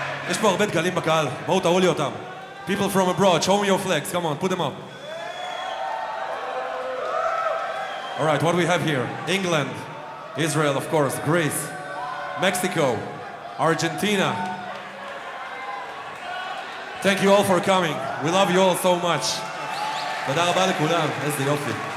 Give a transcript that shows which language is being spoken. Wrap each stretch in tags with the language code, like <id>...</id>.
<he>יש פה הרבה דגלים בקהל, בואו תראו לי אותם.</he> <en>People from abroad, show me your flags, come on, put them up. All right, what do we have here? England, Israel, of course, Greece, Mexico, Argentina. Thank you all for coming. We love you all so much.</en> <he>תודה רבה לכולם, איזה יופי.</he>